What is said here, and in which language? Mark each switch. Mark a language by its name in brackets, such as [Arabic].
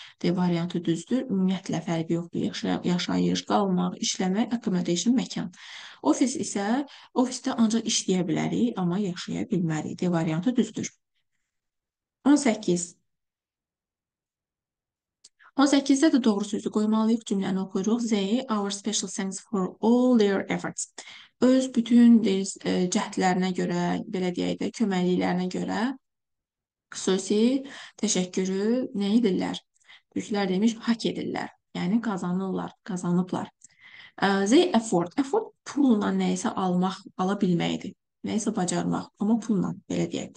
[Azerbaijani] D variantı düzdür. Ümumiyyətlə fərqi yoxdur. Yaşayış, qalmaq, işləmək, accommodation məkan. Office isə ofisdə ancaq işləyə bilərik, amma yaşaya bilmərik. D variantı düzdür. 18. 18-də də doğru sözü qoymalıyıq. Cümləni oxuyuruq. [English] They our special thanks for all their efforts. [Azerbaijani] Öz bütün cəhdlərinə görə, belə deyək də, köməkliklərinə görə xüsusi təşəkkürü nə edirlər? Türklər demiş, hak edirlər. Yəni qazanırlar, qazanıblar. [English] They afford. [Azerbaijani] Afford pulla nəyisə almaq, ala bilməkdir. Nəyisə bacarmaq, amma pulla, belə deyək.